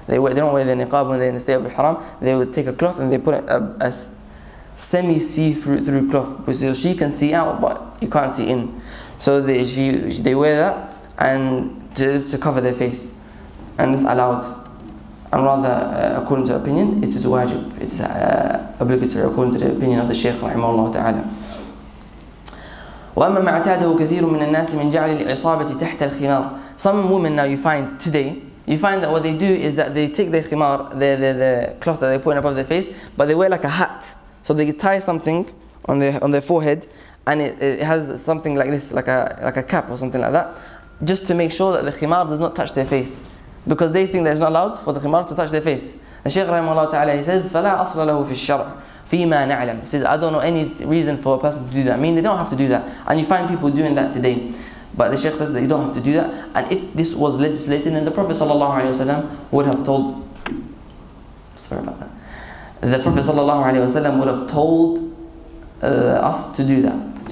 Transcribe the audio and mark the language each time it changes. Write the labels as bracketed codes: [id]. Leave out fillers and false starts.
[en] They don't wear the niqab when they're in the state of ihram. They would take a cloth and they put it a semi see-through cloth, so she can see out, but you can't see in. So they wear that and just to cover their face, and it's allowed. And rather, according to opinion, it is wajib. It's obligatory according to the opinion of the Shaykh rahimahullah ta'ala. [ar] وأما ما اعتاده كثير من الناس من جعل العصابة تحت الخمار. [en] Some women now you find that what they do is that they take their khimar, the cloth that they put above their face, but they wear like a hat. So they tie something on their forehead, and it has something like this, like a cap or something like that, just to make sure that the khimar does not touch their face, because they think that it's not allowed for the khimar to touch their face. And Shaykh rahimahullah ta'ala, he says, [ar] فلا أصل له في الشرع فيما نعلم. [en] He says, I don't know any reason for a person to do that. I mean, they don't have to do that. And you find people doing that today. But the Shaykh says that you don't have to do that. And if this was legislated, then the Prophet sallallahu alayhi wa sallam would have told... Sorry about that. The Prophet sallallahu alayhi wa sallam would have told us to do that.